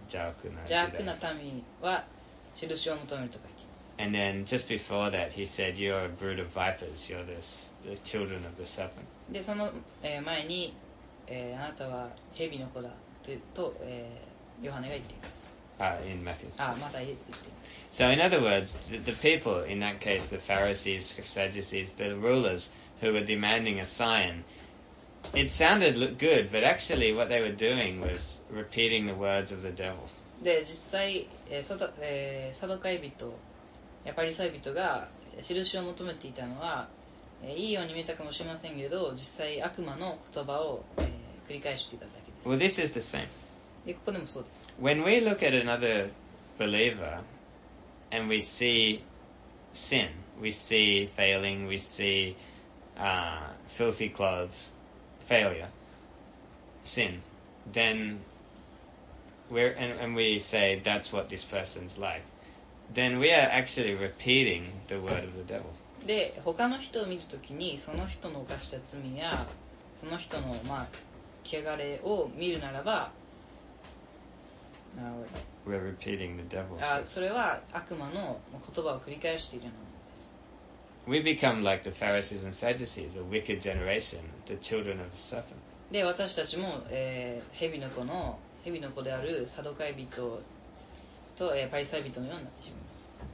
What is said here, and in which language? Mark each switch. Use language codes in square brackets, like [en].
[ja] 邪悪な民は印を求めると書いています。 [en] And then just before that, he said, "You're a brood of vipers. You're this, the children of the serpent." [ja] で、その、前に、あなたは蛇の子だと、ヨハネが言っています。 [en] In Matthew. [ja] あ、まだ言っています。 [en] So in other words, the people in that case, the Pharisees, the Sadducees, the rulers who were demanding a sign, it sounded good, but actually what they were doing was repeating the words of the devil. [ja] で、実際、サドカイ人やパリサイ人が印を求めていたのは、いいように見えたかもしれませんけど、実際悪魔の言葉を、繰り返していただけです。 [en] Well, this is the same. [ja] で、ここでもそうです。 [en] When we look at another believer and we see sin, we see failing, we see filthy clothes, failure, sin, then we're, and we say that's what this person's like. Then we are actually repeating the word of the devil. [ja] で、他の人を見るときに、その人の犯した罪や、その人の、まあ、汚れを見るならば、 [en] We're repeating the devil's words. [ja] それは悪魔の言葉を繰り返しているのです。 [en] We become like the Pharisees and Sadducees, a wicked generation, the children of the serpent. [ja] で、私たちも、蛇の子の、蛇の子であるサドカイ人と、パリサイ人のようになってしまいます。